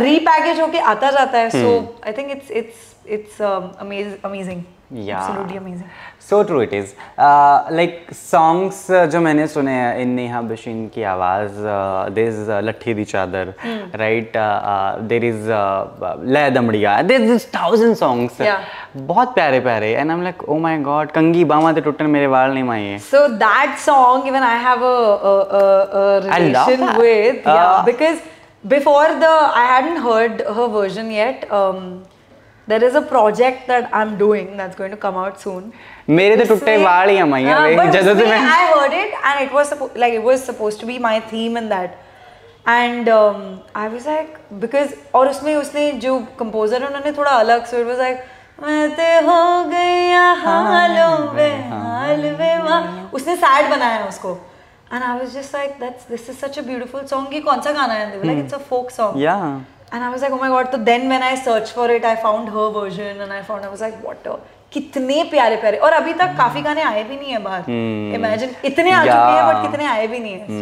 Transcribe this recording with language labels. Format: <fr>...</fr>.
<hi>repackage hoke aata jata hai</hi> <en>so I think it's amazing Yeah. Absolutely amazing. So true it is.</en> <hi>Like songs जो मैंने सुने हैं इन नेहा भसीन की आवाज there is लट्ठी दी चादर right there is ले दमड़िया there is thousand songs बहुत प्यारे प्यारे</hi> <en>and I'm like oh my god</en> <hi>कंगी बामा ते टूटन मेरे वाल नहीं माये</hi> <en>so that song even I have a relation with because before the I hadn't heard her version yet there is a project that I'm doing that's going to come out soon</en> <pa>mere to tutte vaal hi amai hai jada se main</pa> <en>I heard it and it was like it was supposed to be my theme in that and I was like because</en> <hi>aur usme usne jo composer unhone thoda alag</hi> <en>so it was like</en> <hi>मैं ते हो गया हालों बेहाल बेवा, उसने sad बनाया है उसको.</hi> <en>And I was just like, that's this is such a beautiful song.</en> <hi>ये कौन सा गाना है?</hi> <en>They were like, it's a folk song. Yeah. And I was like, oh my god. So then when I searched for it, I found her version and I was like, what a,</en> <hi>कितने प्यारे प्यारे. और अभी तक काफी गाने आए भी नहीं है बाहर. Imagine इतने आ चुके हैं</hi> <en>but</en> <hi>कितने आए भी नहीं है.</hi>